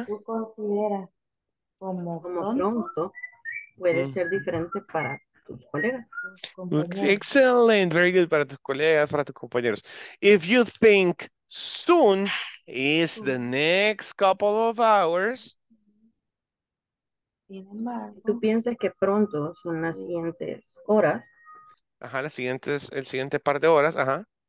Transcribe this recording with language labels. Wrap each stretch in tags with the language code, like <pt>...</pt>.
<es>Lo que tú consideras como pronto puede ser diferente para tus colegas.</es> <en>Excellent, very good,</en> <es>para tus colegas, para tus compañeros.</es> <en>If you think soon is the next couple of hours.</en> <es>Sin embargo, tú piensas que pronto son las siguientes horas. Ajá, las siguientes, el siguiente par de horas, ajá.</es>